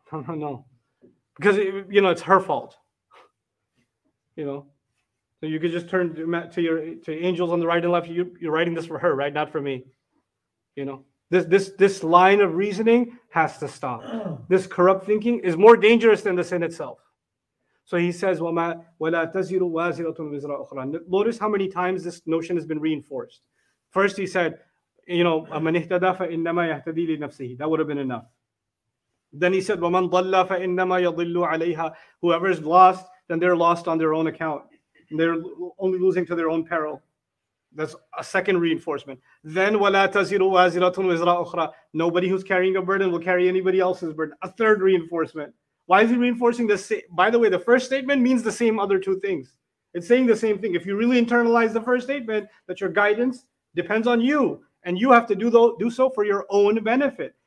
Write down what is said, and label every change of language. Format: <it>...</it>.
<en>Because, you know, it's her fault. You know? So you could just turn to angels on the right and left. You're writing this for her, right? Not for me. You know, this line of reasoning has to stop. This corrupt thinking is more dangerous than the sin itself. So he says,</en> <ar>وَلَا تَزِرُ وَازِرَةٌ وِزْرَ أُخْرَى.</ar> <en>Notice how many times this notion has been reinforced. First he said, you know,</en> <ar>مَنِ اهْتَدَى فَإِنَّمَا يَهْتَدِي لِنَفْسِهِ.</ar> <en>That would have been enough. Then he said,</en> <ar>وَمَنْ ضَلَّ فَإِنَّمَا يَضِلُّ عَلَيْهَا.</ar> <en>Whoever is lost, then they're lost on their own account. They're only losing to their own peril. That's a second reinforcement. Then,</en> <ar>وَلَا تَزِرُ وَازِرَةٌ وِزْرَ أُخْرَى.</ar> <en>Nobody who's carrying a burden will carry anybody else's burden. A third reinforcement. Why is he reinforcing this? By the way, the first statement means the same other two things. It's saying the same thing. If you really internalize the first statement, that your guidance depends on you, and you have to do so for your own benefit.</en>